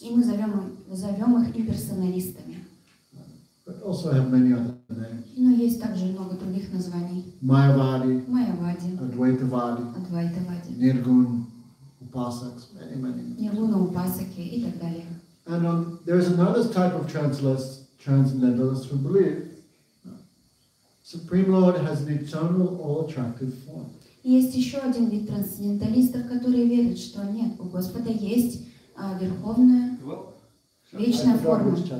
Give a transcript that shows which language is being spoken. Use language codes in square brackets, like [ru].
[ru] И мы зовем их имперсоналистами. [en] But also have many other names. [ru] Но есть также много других названий. Майявади. Майявади. Адвайтавади. Адвайтавади. Ниргун упасакс. [en] Many. [ru] Ниргуна упасаки и так далее. [en] And there is another type of transcendentalists who believe Supreme Lord has an eternal, all-attractive form. [ru] Есть еще один вид трансценденталистов, которые верят, что нет, у Господа есть верховная, вечная форма.